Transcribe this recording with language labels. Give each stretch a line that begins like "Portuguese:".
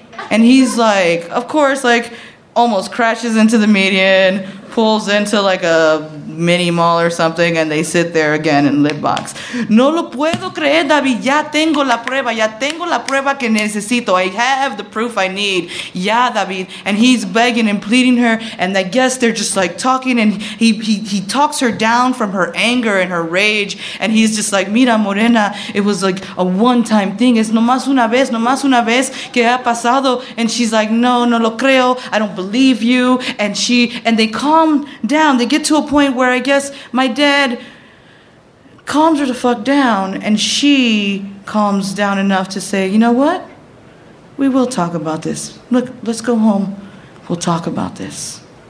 English: And he's like, of course, like, almost crashes into the median, pulls into like a mini mall or something, and they sit there again in lid box.
Spanish: No lo puedo creer, David. Ya tengo la prueba que necesito.
English: I have the proof I need.
Spanish: Ya, David.
English: And he's begging and pleading her, and I guess they're just like talking, and he talks her down from her anger and her rage, and he's just like,
Spanish: mira, morena,
English: it was like a one-time thing.
Spanish: Es nomás una vez que ha pasado.
English: And she's like,
Spanish: no, no lo creo.
English: I don't believe you. And she, and they calm down. They get to a point where I guess my dad calms her the fuck down, and she calms down enough to say, you know what? We will talk about this. Look, let's go home. We'll talk about this.